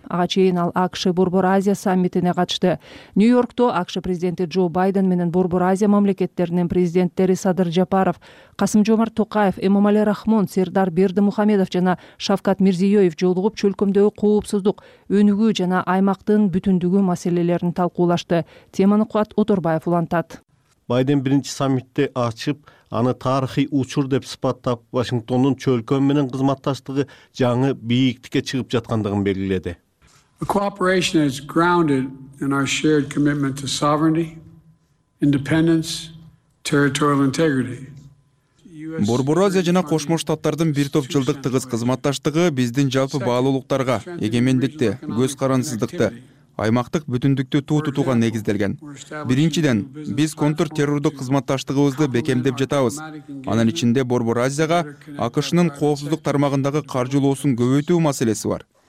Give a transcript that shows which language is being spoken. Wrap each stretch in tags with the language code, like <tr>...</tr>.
<ky>Ага чейин ал АКШ Борбор Азия саммитине катышты. Нью-Йоркто АКШ президенти Джо Байден менен Борбор Азия мамлекеттеринин президенттери Садыр Жапаров, Касым Жомарт Токаев, Эмомали Рахмон, Сердар Бердимухамедов жана Шавкат Мирзиёев жолугуп, чөлкөмдөгү коопсуздук, өнүгүү жана аймактын бүтүндүгү маселелерин талкуулашты. Теманы Кубат Оторбаев улантат. Байден биринчи саммитти ачып, аны тарыхый учур деп сыпаттап, Вашингтондун чөлкөм менен кызматташтыгы жаңы бийиктикке чыгып жаткандыгын белгиледи.</ky> <en>The cooperation is grounded in our shared commitment to sovereignty, independence, territorial integrity.</en> <ky>Борбор Азия жана Кошмо Штаттардын бир топ жылдык тыгыз кызматташтыгы биздин жалпы баалуулуктарга, эгемендикке, көз карансыздыкка, аймактык бүтүндүктү туу тутууга негизделген. Биринчиден, биз контртеррордук кызматташтыгыбызды бекемдеп жатабыз. Анын ичинде Борбор Азияга АКШнын коопсуздук тармагындагы каржылоосун көбөйтүү маселеси бар.</ky>